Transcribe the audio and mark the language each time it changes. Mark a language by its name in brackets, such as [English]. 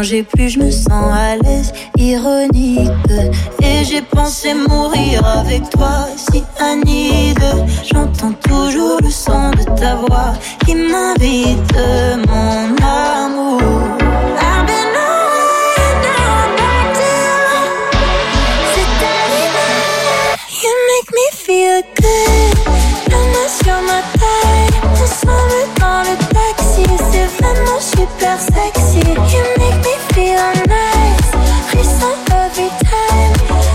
[French] Plus je me sens à l'aise, ironique. Et j'ai pensé mourir avec toi, cyanide. J'entends toujours le son de ta voix qui m'invite, mon amour. [English] I've been away, now I'm back to you. [French] C'est arrivé. [English] You make me feel good. [French] La main sur ma taille, on s'en va dans le taxi. C'est vraiment super sexy. [English] You make me feel nice, frissant every time.